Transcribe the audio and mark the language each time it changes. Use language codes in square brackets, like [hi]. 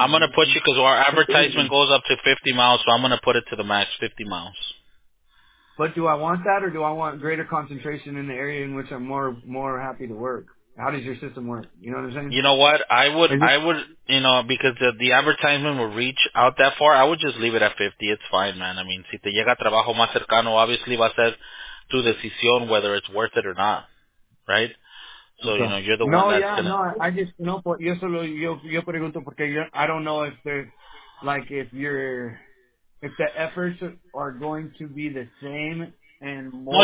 [en] I'm going to put you, because our advertisement goes up to 50 miles, so I'm going to put it to the max, 50 miles. But do I want that, or do I want greater concentration in the area in which I'm more happy to work? How does your system work? You know what I'm saying? You know what? I would, you know, because the advertisement will reach out that far, I would just leave it at 50. It's fine, man. I mean, [es] si te llega trabajo más cercano, obviously va a ser... tu decisión [en] whether it's worth it or not, right? So, okay. You know, you're the no, one that's yeah, going to... No, yeah, no, I just, no, [es] por, yo solo, yo pregunto porque yo, [en] I don't know if there's, like, if you're, if the efforts are going to be the same and more...